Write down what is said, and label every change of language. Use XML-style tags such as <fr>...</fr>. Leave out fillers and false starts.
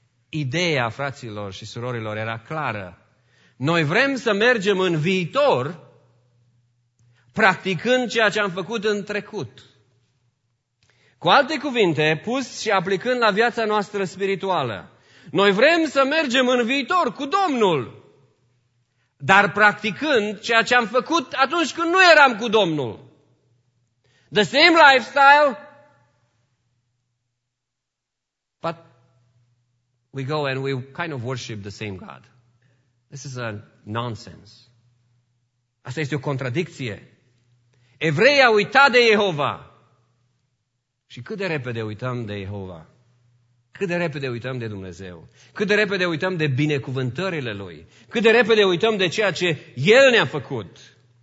<ro>Ideea fraților și surorilor era clară. Noi vrem să mergem în viitor practicând ceea ce am făcut în trecut. Cu alte cuvinte, pus și aplicând la viața noastră spirituală. Noi vrem să mergem în viitor cu Domnul, dar practicând ceea ce am făcut atunci când nu eram cu Domnul.</ro> <en>The same lifestyle, but we go and we kind of worship the same God. This is a nonsense.</en> <ro>Asta este o contradicție. Evreii au uitat de Jehova. Și cât de repede uităm de Jehova? Cât de repede uităm de Dumnezeu? Cât de repede uităm de binecuvântările Lui? Cât de repede uităm de ceea ce El ne-a făcut?</ro>